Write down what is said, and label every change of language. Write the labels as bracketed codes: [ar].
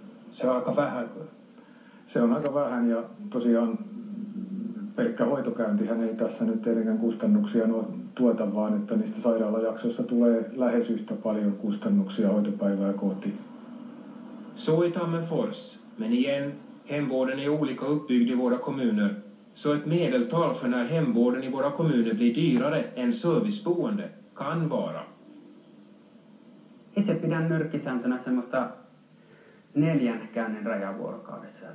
[fi] Se on aika vähän. Se on aika vähän ja tosiaan pelkkä hoitokäyntihän ei tässä nyt tietenkään kustannuksia tueta, vaan että niistä sairaalajaksoista tulee lähes yhtä paljon kustannuksia hoitopäivää kohti. [sv] Så i Tammerfors, men igen, hemvården är olika uppbyggd i våra kommuner. Så ett medeltal för när hemvården i våra kommuner blir dyrare än serviceboende kan vara. [fi] Itse pidän nyrkkisääntönä semmoista neljän käynnin rajavuorokaudessa.